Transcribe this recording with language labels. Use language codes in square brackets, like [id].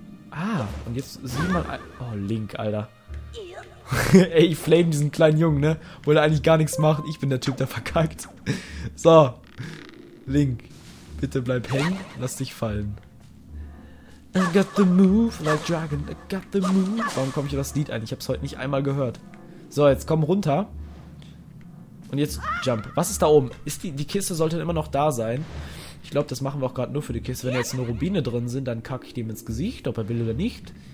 [de] Ah, und jetzt sieh mal ein... Oh, Link, Alter. Ey, ich flame diesen kleinen Jungen, ne? Obwohl er eigentlich gar nichts macht. Ich bin der Typ, der verkackt. So, Link. Bitte bleib hängen, lass dich fallen. [en] I got the move, like Dragon, I got the move. [de] Warum komme ich auf das Lied ein? Ich habe es heute nicht einmal gehört. So, jetzt komm runter. Und jetzt jump. Was ist da oben? Ist die Kiste sollte immer noch da sein. Ich glaube, das machen wir auch gerade nur für die Kiste. Wenn jetzt nur Rubine drin sind, dann kacke ich dem ins Gesicht, ob er will oder nicht.